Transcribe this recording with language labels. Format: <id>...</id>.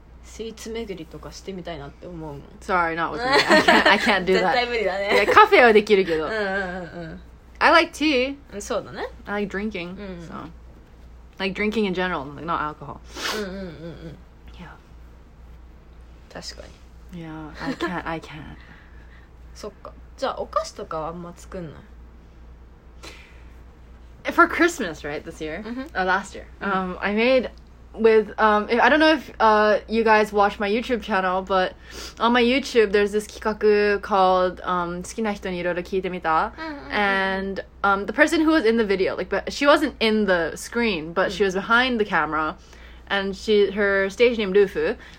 <ja>Sweets 巡りとかしてみたいなって思うもん。</ja> <en>Sorry, not with me. I can't do that.</en> <ja>絶対無理だね。</ja> <en>Yeah,</en> <ja>cafe はできるけど。</ja> <en>I like tea.</en> <ja>そうだね。</ja> <en>I like drinking. So, like drinking in general, like not alcohol. Yeah.</en> <ja>確かに。</ja> <en>Yeah, I can't.</en> <ja>そっか。じゃあお菓子とかはあんま作んない。</ja> <en>For Christmas, right, this year? Mm-hmm. Last year. I made with, I don't know if you guys watch my YouTube channel, but on my YouTube, there's this 企画 called</en> <ja>好きな人にいろいろ聞いてみた</ja> <en>And the person who was in the video, like, but she wasn't in the screen, but she was behind the camera, and her stage name, Lufu.</en>